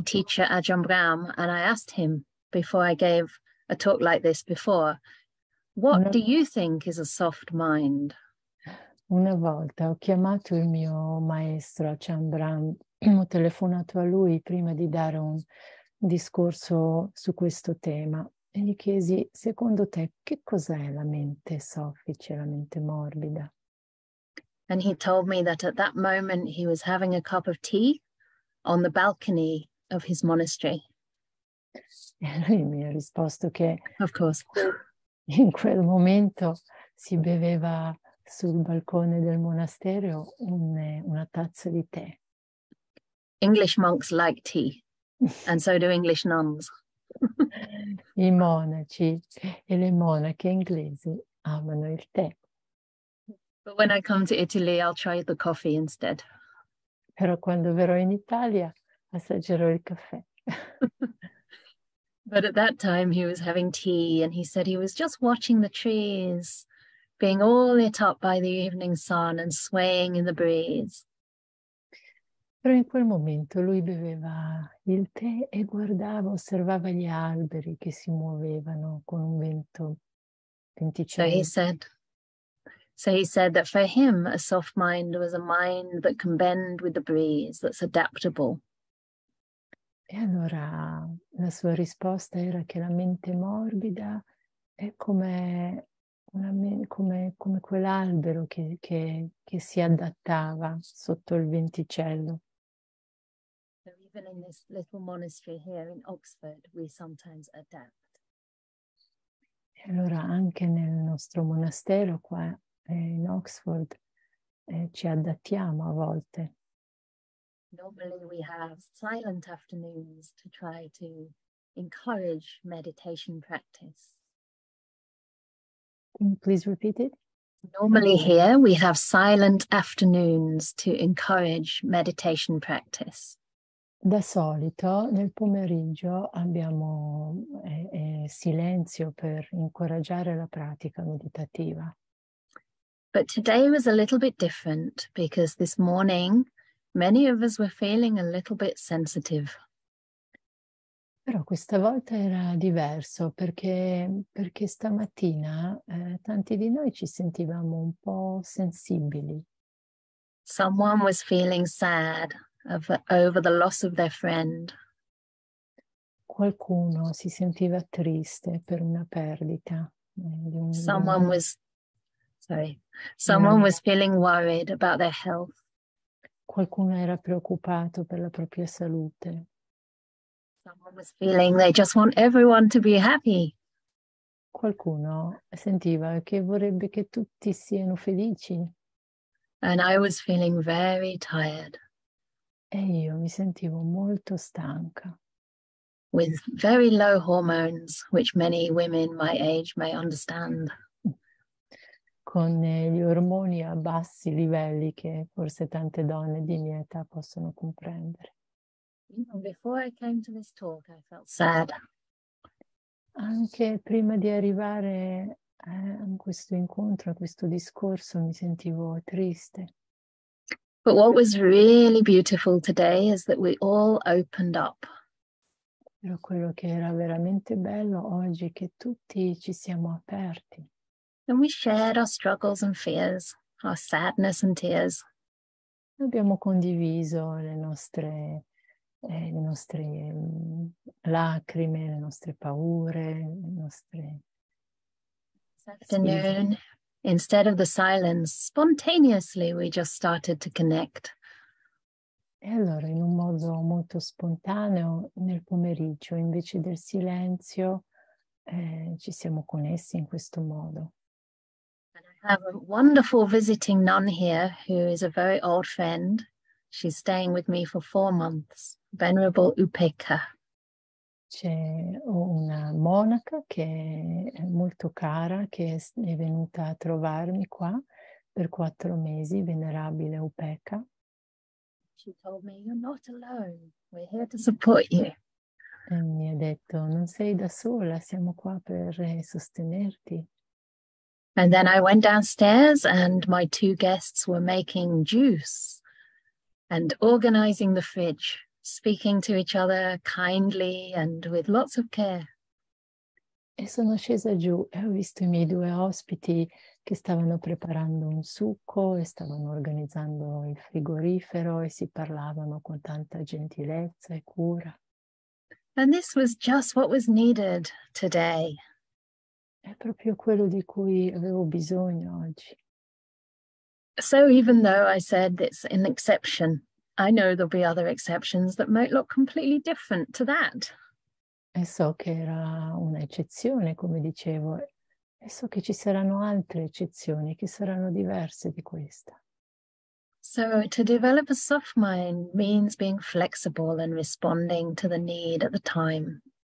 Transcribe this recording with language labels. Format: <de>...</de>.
<en>teacher Ajahn Brahm and I asked him before I gave a talk like this before, what do you think is a soft mind?</en> <it>Una volta ho chiamato il mio maestro Chambran. Ho telefonato a lui prima di dare un discorso su questo tema e gli chiesi: secondo te, che cos'è la mente soffice, la mente morbida?</it> <en>And he told me that at that moment he was having a cup of tea on the balcony of his monastery.</en> <it>E lui mi ha risposto che</it> <en>Of course.</en> <it>in quel momento si beveva sul balcone del monastero una tazza di tè.</it> <en>English monks like tea, and so do English nuns.</en> <it>I monaci e le monache inglesi amano il tè.</it> <en>But when I come to Italy, I'll try the coffee instead.</en> <it>Però quando verrò in Italia assaggerò il caffè.</it> <en>But at that time he was having tea and he said he was just watching the trees, being all lit up by the evening sun and swaying in the breeze.</en> <it>Però in quel momento lui beveva il tè e guardava, osservava gli alberi che si muovevano con un vento venticello.</it> <en>So he said that for him a soft mind was a mind that can bend with the breeze, that's adaptable.</en> <it>E allora la sua risposta era che la mente morbida è come quell'albero che si adattava sotto il venticello.</it> <en>Even in this little monastery here in Oxford, we sometimes adapt.</en> <it>Allora, anche nel nostro monastero qua in Oxford ci adattiamo a volte.</it> <en>Normally we have silent afternoons to try to encourage meditation practice. Can you please repeat it? Normally here we have silent afternoons to encourage meditation practice.</en> <it>Da solito nel pomeriggio abbiamo silenzio per incoraggiare la pratica meditativa.</it> <en>But today was a little bit different because this morning many of us were feeling a little bit sensitive.</en> <it>Però questa volta era diverso perché stamattina tanti di noi ci sentivamo un po' sensibili.</it> <en>Someone was feeling sad over the loss of their friend.</en> <it>Qualcuno si sentiva triste per una perdita</it> <en>Someone was, sorry,</en> <it>di un</it> <en>someone was</en> <it>amico.</it> <en>feeling worried about their health.</en> <it>Qualcuno era preoccupato per la propria salute.</it> <en>Someone was feeling they just want everyone to be happy.</en> <it>Qualcuno sentiva che vorrebbe che tutti siano felici. E</it> <en>And I was feeling very tired,</en> <it>io mi sentivo molto stanca.</it> <en>with very low hormones, which many women my age may understand.</en> <it>Con gli ormoni a bassi livelli che forse tante donne di mia età possono comprendere.</it> <en>Before I came to this talk, I felt sad.</en> <it>Anche prima di arrivare a questo incontro, a questo discorso, mi sentivo triste.</it> <en>But what was really beautiful today is that we all opened up.</en> <it>Però quello che era veramente bello oggi è che tutti ci siamo aperti.</it> <en>And we shared our struggles and fears, our sadness and tears.</en> <it>Abbiamo condiviso le nostre lacrime, le nostre paure, le nostre sfide.</it> <en>Afternoon. Instead of the silence, spontaneously we just started to connect.</en> <it>E allora, in un modo molto spontaneo, nel pomeriggio, invece del silenzio, ci siamo connessi in questo modo.</it> <en>And I have a wonderful visiting nun here who is a very old friend. She's staying with me for 4 months, Venerable Upeka.</en> <it>C'è una monaca che è molto cara, che è venuta a trovarmi qua per 4 mesi, Venerabile Upeka.</it> <en>She told me, you're not alone, we're here to support you.</en> <it>E mi ha detto, non sei da sola, siamo qua per sostenerti.</it> <en>And then I went downstairs and my two guests were making juice and organizing the fridge, speaking to each other kindly and with lots of care.</en> <it>E sono scesa giù e ho visto i miei due ospiti che stavano preparando un succo e stavano organizzando il frigorifero e si parlavano con tanta gentilezza e cura. E</it> <en>And this was just what was needed today.</en> <it>proprio quello di cui avevo bisogno oggi.</it> <en>So even though I said it's an exception, I know there'll be other exceptions that might look completely different to that.</en> <it>E so che era un'eccezione, come dicevo, e so che ci saranno altre eccezioni che saranno diverse di questa.</it> <en>So, to develop a soft mind means being flexible and responding to the need at the time.</en>